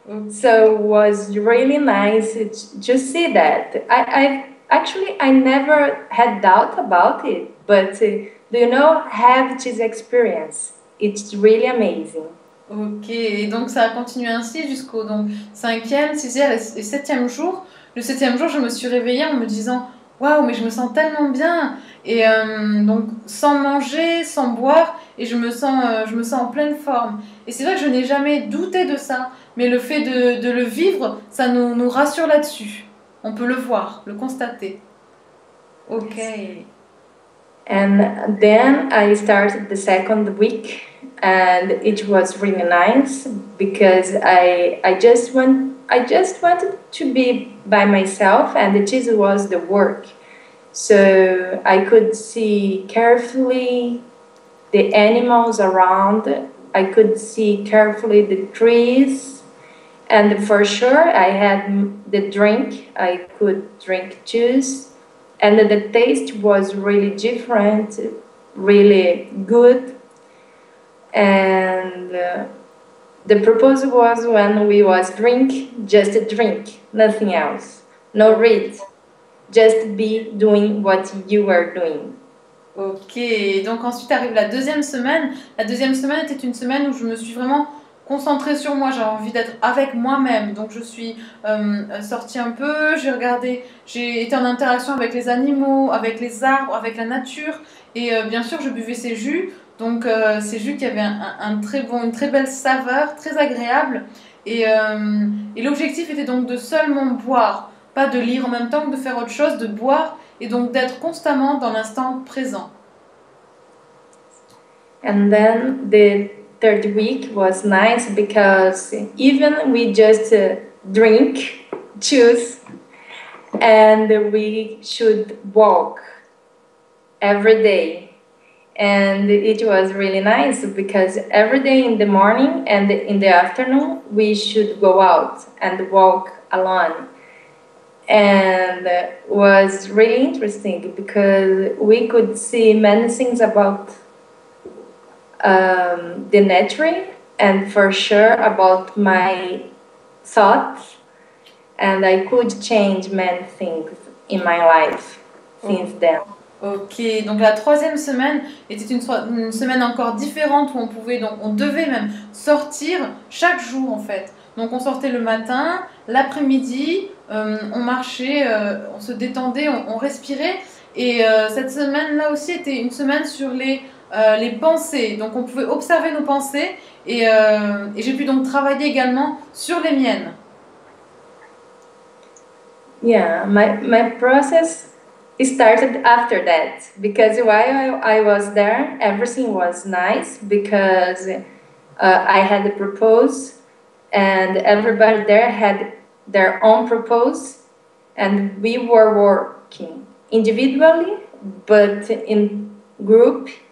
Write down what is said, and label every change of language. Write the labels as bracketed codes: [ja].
[en] So it was really nice to see that. I never had doubt about it, but do you know, have this experience. It's really amazing. [fr] Ok, et donc ça a continué ainsi jusqu'au donc, cinquième, sixième et septième jour. Le septième jour, je me suis réveillée en me disant « Waouh, mais je me sens tellement bien !» Et donc, sans manger, sans boire, et je me sens en pleine forme. Et c'est vrai que je n'ai jamais douté de ça, mais le fait de le vivre, ça nous rassure là-dessus. On peut le voir, le constater. Ok. [en] And then I started the second week, and it was really nice, because I just wanted to be by myself, and this was the work. So I could see carefully the animals around. I could see carefully the trees. And for sure, I had the drink. I could drink juice. And the taste was really different, really good. And the proposal was when we was drink, just a drink, nothing else. No read, just be doing what you are doing. [fr] Ok, donc ensuite arrive la deuxième semaine. La deuxième semaine était une semaine où je me suis vraiment concentrée sur moi. J'avais envie d'être avec moi-même. Donc je suis sortie un peu, j'ai regardé, j'ai été en interaction avec les animaux, avec les arbres, avec la nature. Et bien sûr, je buvais ces jus. Donc ces jus qui avaient une très belle saveur, très agréable. Et l'objectif était donc de seulement boire, pas de lire en même temps que de faire autre chose, de boire et donc d'être constamment dans l'instant présent. [en] And then the third week was nice because even we just drink, juice, and we should walk every day. And it was really nice because every day in the morning and in the afternoon we should go out and walk alone. And was really interesting because we could see many things about the nature and for sure about my thoughts. And I could change many things in my life since then. [fr] Ok, donc la troisième semaine était une semaine encore différente où on pouvait, donc on devait même sortir chaque jour en fait. Donc on sortait le matin, l'après-midi, on marchait, on se détendait, on respirait. Et cette semaine-là aussi était une semaine sur les pensées. Donc on pouvait observer nos pensées et j'ai pu donc travailler également sur les miennes. [en] Yeah, my process... It started after that, because while I was there, everything was nice, because I had a propose, and everybody there had their own propose, and we were working individually, but in group,